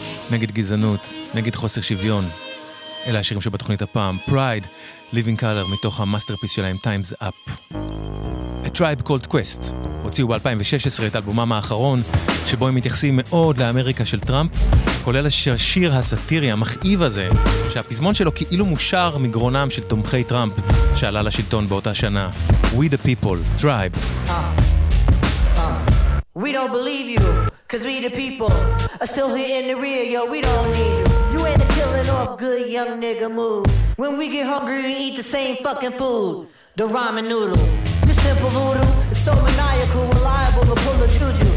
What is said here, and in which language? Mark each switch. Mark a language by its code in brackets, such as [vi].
[he] נגד גזענות, נגד חוסר שוויון. אלה השירים שבתוכנית הפעם. Pride, Living Color, מתוך המאסטרפיס שלהם, Time's Up. [en] A Tribe Called Quest. [he] הוציאו ב-2016 את אלבומם האחרון, שבו הם מתייחסים מאוד לאמריקה של טראמפ, כולל השיר הסטירי המכאיב הזה, שהפזמון שלו כאילו מושר מגרונם של תומכי טראמפ, שעלה לשלטון באותה שנה. [en] We the People, Tribe. We don't believe you, cause we the people are still here in the rear, yo, we don't need you. You ain't a killing off good young nigga move. When we get hungry, we eat the same fucking food, the ramen noodle. This simple voodoo is so maniacal, reliable to pull a juju.